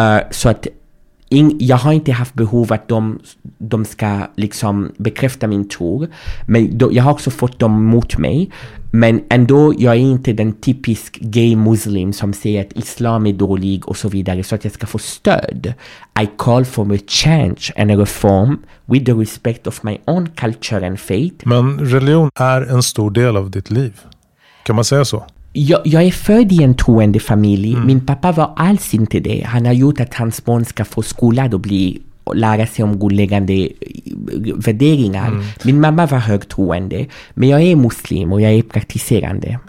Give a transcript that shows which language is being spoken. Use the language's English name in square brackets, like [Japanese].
[Swedish] Så att jag har inte haft behov att de ska liksom bekräfta min tro. Men jag har också fått dem mot mig. Men ändå, jag är inte den typisk gay muslim som säger att islam är dålig och så vidare. Så att jag ska få stöd. [English] I call for a change and a reform with the respect of my own culture and faith. [Swedish] Men religion är en stor del av ditt liv. Kan man säga så? Jag är född i en troende familj. Min pappa var alls inte det. Han har gjort att hans barn ska få skolad och lära sig om grundläggande värderingar. Min mamma var högtroende. Men jag är muslim och jag är praktiserande.